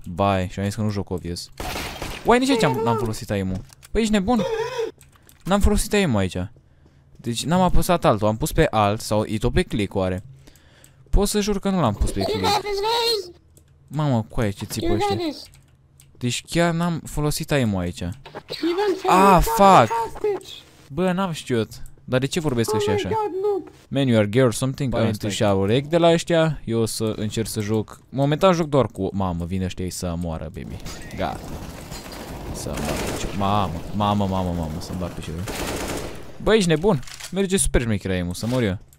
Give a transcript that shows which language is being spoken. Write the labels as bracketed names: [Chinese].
[Romanian] Bye, și am zis că nu joc obvious. Uai, nici aici n-am folosit aimul. Păi ești nebun? N-am folosit aimul aici. Deci n-am apăsat altul, am pus pe alt sau e tot pe click oare. Pot să jur că nu l-am pus pe click. Mamă, coaie, ce țipă ăștia. Deci chiar n-am folosit aimul aici. [English] Ah, fuck. [Romanian] Bă, n-am știut. Dar de ce vorbesc așa? [English] Oh, man, you are gay or something? [Romanian] Am întâlnit un rec de la ăștia. Eu o să încerc să joc. Momentan joc doar cu... Mamă, vin ăștia să moară, baby. Gata. Să moară. Mamă, să-mi bat pe ceva. Bă, ești nebun. Merge super șmechir aimul, să mor eu.